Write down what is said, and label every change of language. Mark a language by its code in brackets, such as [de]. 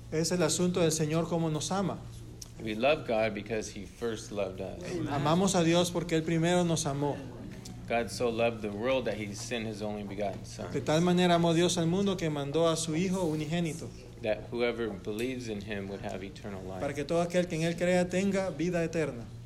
[es] Es el asunto del Señor cómo nos ama. [en] We love God because He first loved us. [es] Amamos a Dios porque Él primero nos amó. [en] God so loved the world that He sent His only begotten Son. [es] De tal manera amó Dios al mundo que mandó a su Hijo unigénito. [en] That whoever believes in Him would have eternal life. [es] Para que todo aquel que en Él crea tenga vida eterna.